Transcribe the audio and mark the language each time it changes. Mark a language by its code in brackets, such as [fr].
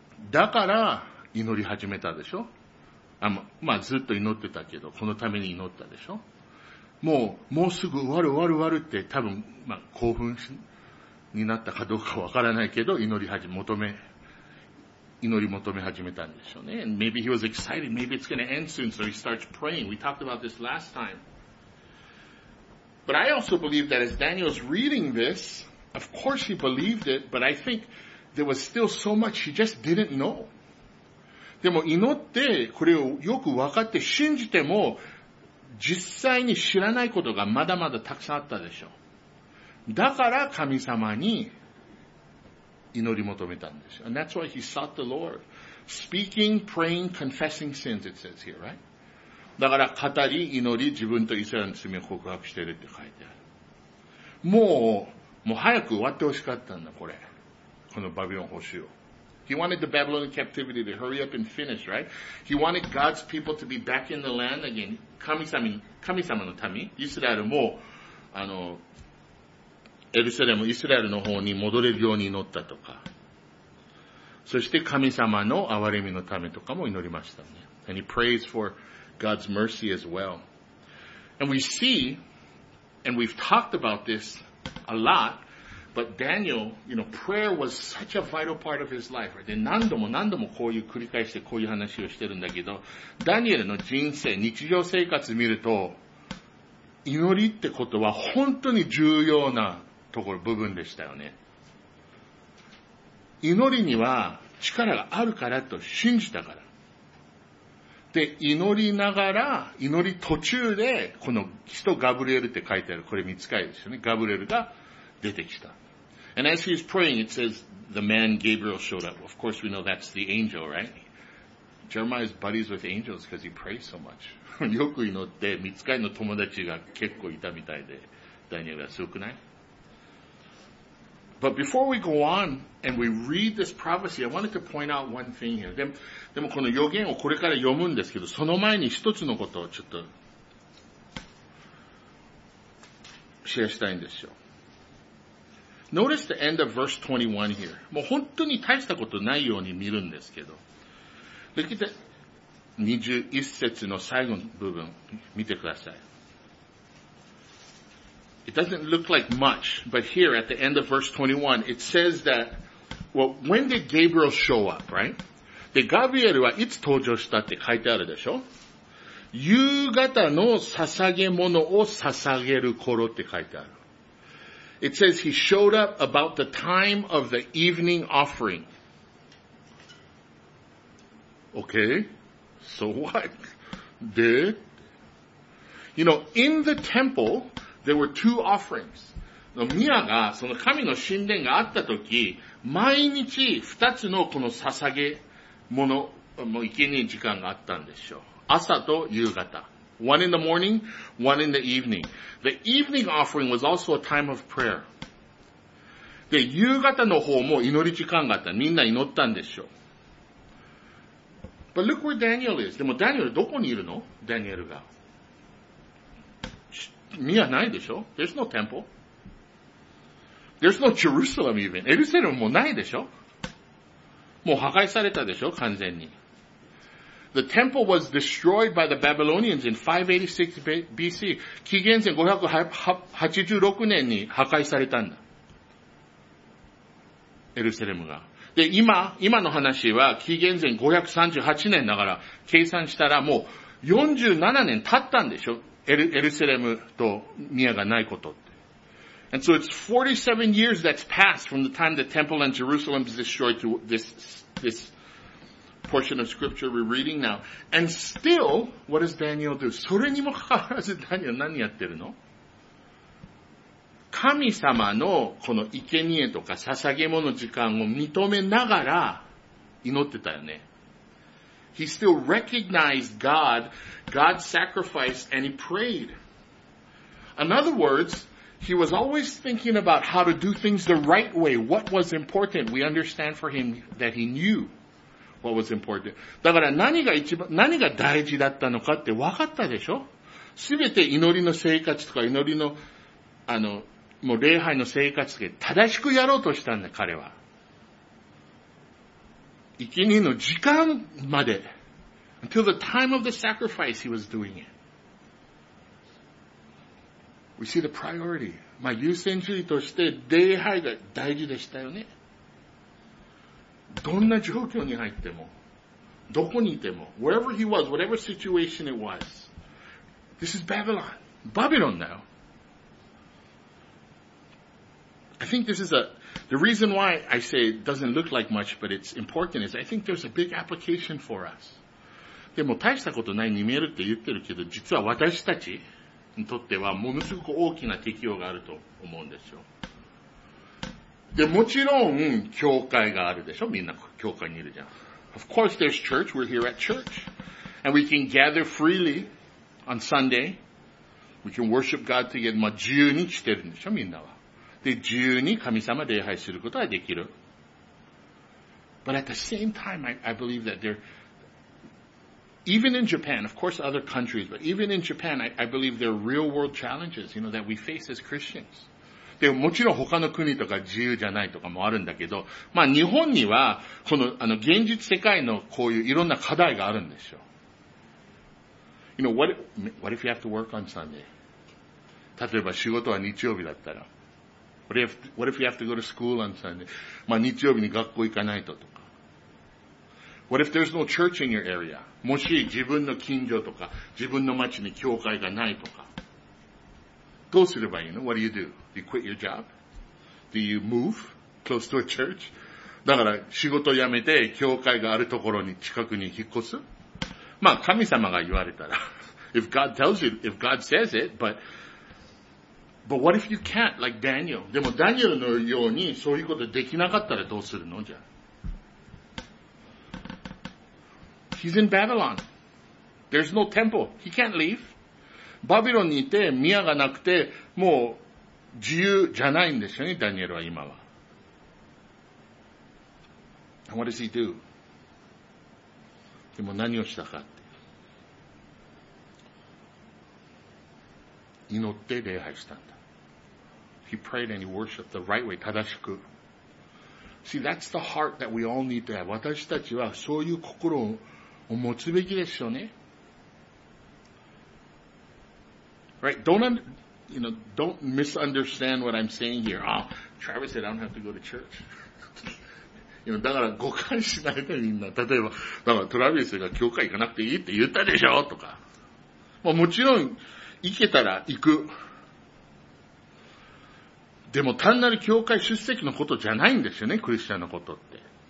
[ja] だから、祈り始めたでしょ？まあ、ずっと祈ってたけど、このために祈ったでしょ？もうすぐ終わる終わる終わるって、多分、まあ、興奮になったかどうかわからないけど、祈り求め始めたんでしょうね。 [en] And maybe he was excited, maybe it's gonna end soon, so he starts praying. We talked about this last time. But I also believe that as Daniel's reading this, of course he believed it, but I think there was still so much he just didn't know. [ja] でも祈って、これをよくわかって信じても、実際に知らないことがまだまだたくさんあったでしょう。だから神様に祈り求めたんですよ。 [en] And that's why he sought the Lord. Speaking, praying, confessing sins, it says here, right? [ja] だから語り、祈り、自分とイスラエルの罪を告白してるって書いてある。もう早く終わってほしかったんだ、これ。このバビロン捕囚を。 [en] He wanted the Babylonian captivity to hurry up and finish, right? He wanted God's people to be back in the land again. [ja] 神様の民、イスラエルも、エルサレム、イスラエルの方に戻れるように祈ったとか。そして神様の憐れみのためとかも祈りましたね。 [en] And he prays for God's mercy as well. And we see, and we've talked about this a lot,But Daniel, you know, prayer was such a vital part of his life, right? [ja] で、何度も何度もこういう繰り返してこういう話をしてるんだけど、ダニエルの人生、日常生活見ると、祈りってことは本当に重要なところ、部分でしたよね。祈りには力があるからと信じたから。で、祈りながら、祈り途中で、この人ガブリエルって書いてある、これ見つかりですよね。ガブリエルが、出てきた。 [en] And as he's praying, it says the man Gabriel showed up. Of course, we know that's the angel, right? Jeremiah's buddies with angels because he prays so much. [ja] よく祈って、ミツカイの友達が結構いたみたいで、ダニエルがすごくない？ [en] But before we go on and we read this prophecy, I wanted to point out one thing here. [ja] でもこの予言をこれから読むんですけど、その前に一つのことをちょっとシェアしたいんですよ。 [en] Notice the end of verse 21 here. [ja] もう本当に大したことないように見るんですけど。 [en] Look at the [ja] 21節の最後の部分見てください。 [en] It doesn't look like much, but here at the end of verse 21, it says that, well, when did Gabriel show up, right? [ja] で、ガビエルはいつ登場したって書いてあるでしょ？夕方の捧げ物を捧げる頃って書いてある。 [en] It says he showed up about the time of the evening offering. Okay, so what? Did? You know, in the temple, there were two offerings. [ja] Mia が、その神の神殿があったとき、毎日二つのこの捧げ物、もういけない時間があったんでしょう。朝と夕方。 [en] One in the morning, one in the evening. The evening offering was also a time of prayer. [ja] で、夕方の方も祈り時間があった。みんな祈ったんでしょう。 [en] But look where Daniel is. [ja] でもダニエルどこにいるの？ダニエルが。宮ないでしょ？ [en] There's no temple. There's no Jerusalem even. [ja] エルサレムもないでしょ？もう破壊されたでしょ？完全に。 [en] The temple was destroyed by the Babylonians in 586 BC. [ja] 紀元前586年に破壊されたんだ。エルサレムが。で、今の話は紀元前538年だから計算したらもう47年経ったんでしょ。エルサレムと宮がないことって。 [en] And so it's 47 years that's passed from the time the temple and Jerusalem was destroyed to this portion of scripture we're reading now. And still, what does Daniel do? [ja] それにもかかわらず、ダニエル何やってるの？神様のこの生贄とか捧げ物の時間を認めながら祈ってたよね。 [en] He still recognized God's sacrifice and he prayed. In other words, he was always thinking about how to do things the right way. What was important? We understand for him that he knew. what was important. [ja] だから何が一番、何が大事だったのかって分かったでしょ？すべて祈りの生活とか祈りの、もう礼拝の生活で正しくやろうとしたんだ、彼は。生贄の時間まで。 [en] Until the time of the sacrifice, he was doing it. We see the priority. [ja] まあ、優先順位として礼拝が大事でしたよね。どんな状況に入っても、どこにいても、 [en] wherever he was, whatever situation it was. This is Babylon. Babylon now. I think this is the reason why I say it doesn't look like much, but it's important, is I think there's a big application for us. [ja] でも大したことないに見えるって言ってるけど、実は私たちにとってはものすごく大きな適用があると思うんですよ。で、もちろん、教会があるでしょ？みんな、教会にいるじゃん。 [en] Of course there's church. We're here at church. And we can gather freely on Sunday. We can worship God together. [ja] まあ、自由にしてるんでしょ？みんなは。で、自由に神様礼拝することはできる。 [en] But at the same time, I believe that there, even in Japan, of course other countries, but even in Japan, I believe there are real world challenges, you know, that we face as Christians. [ja] で、もちろん他の国とか自由じゃないとかもあるんだけど、まあ日本には、この、現実世界のこういういろんな課題があるんですよ。 [en] You know, what if you have to work on Sunday? [ja] 例えば仕事は日曜日だったら。 [en] What if you have to go to school on Sunday? [ja] まあ日曜日に学校行かないととか。 [en] What if there's no church in your area? [ja] もし自分の近所とか、自分の町に教会がないとか。どうすればいいの [en] ?What do you do? Do you quit your job? Do you move close to a church? [ja] だから仕事を辞めて教会があるところに近くに引っ越す？まあ神様が言われたら。 [en] If God tells you, if God says it, but what if you can't, like Daniel? [ja] でもダニエルのようにそういうことできなかったらどうするのじゃ [en] He's in Babylon. There's no temple. He can't leave. [ja] バビロンにいて、宮がなくて、もう自由じゃないんですよね、ダニエルは今は。 [en] And what does he do? [ja] でも何をしたかって。祈って礼拝したんだ。 [en] He prayed and he worshiped the right way, [ja] 正しく。 [en] See, that's the heart that we all need to have. [ja] 私たちはそういう心を持つべきですよね。 [en] Right, don't misunderstand what I'm saying here. Oh, Travis said I don't have to go to church. You know, [ja] だから誤解しないでみんな。例えば、だからトラビスが教会行かなくていいって言ったでしょとか。まあもちろん、行けたら行く。でも単なる教会出席のことじゃないんですよね、クリスチャンのことって。